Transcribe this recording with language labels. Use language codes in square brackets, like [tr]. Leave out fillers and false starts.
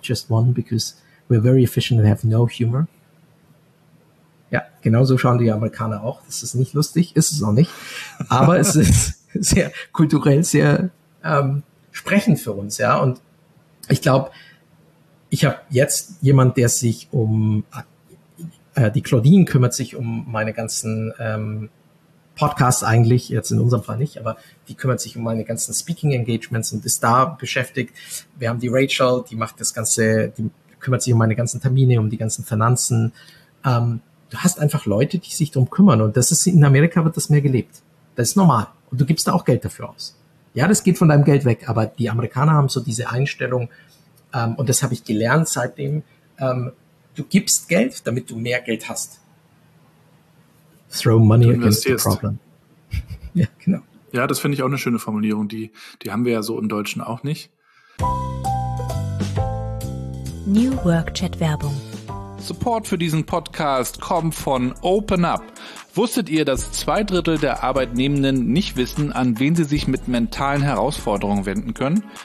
[en] Just one, because we're very efficient and have no humor. [de] Ja, genauso schauen die Amerikaner auch. Das ist nicht lustig, ist es auch nicht. Aber es ist sehr kulturell, sehr sprechend für uns. Ja, und ich glaube, ich habe jetzt jemand, der sich um die Claudine kümmert, sich um meine ganzen Podcasts eigentlich, jetzt in unserem Fall nicht, aber die kümmert sich um meine ganzen Speaking Engagements und ist da beschäftigt. Wir haben die Rachel, die macht das Ganze, die kümmert sich um meine ganzen Termine, um die ganzen Finanzen. Du hast einfach Leute, die sich darum kümmern und das ist, in Amerika wird das mehr gelebt. Das ist normal und du gibst da auch Geld dafür aus. Ja, das geht von deinem Geld weg, aber die Amerikaner haben so diese Einstellung, und das habe ich gelernt seitdem, du gibst Geld, damit du mehr Geld hast. [en] Throw money against the problem. [de] Ja, genau. Ja, das finde ich auch eine schöne Formulierung, die haben wir ja so im Deutschen auch nicht. New Work Chat Werbung. Support für diesen Podcast kommt von Open Up. Wusstet ihr, dass 2/3 der Arbeitnehmenden nicht wissen, an wen sie sich mit mentalen Herausforderungen wenden können?